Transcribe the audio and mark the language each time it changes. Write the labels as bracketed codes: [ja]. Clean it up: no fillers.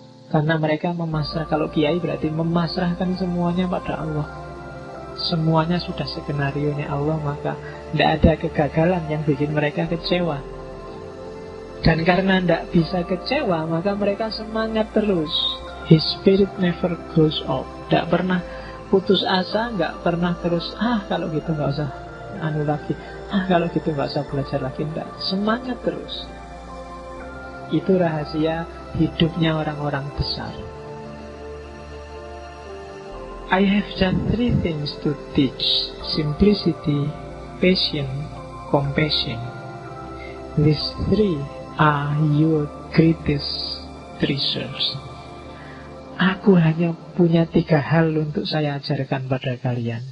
[id] Karena mereka memasrah, kalau kiai berarti memasrahkan semuanya pada Allah. Semuanya sudah skenario-nya Allah, maka tidak ada kegagalan yang bikin mereka kecewa. Dan karena tidak bisa kecewa, maka mereka semangat terus. [en] His spirit never grows old. [id] Tidak pernah putus asa, tidak pernah terus, kalau gitu tidak usah anu lagi. Kalau gitu tidak usah belajar lagi. Tidak, semangat terus. Itu rahasia hidupnya orang-orang besar. [en] I have just three things to teach. Simplicity, patience, compassion. These three are your greatest treasures. [id] Aku hanya punya tiga hal untuk saya ajarkan pada kalian.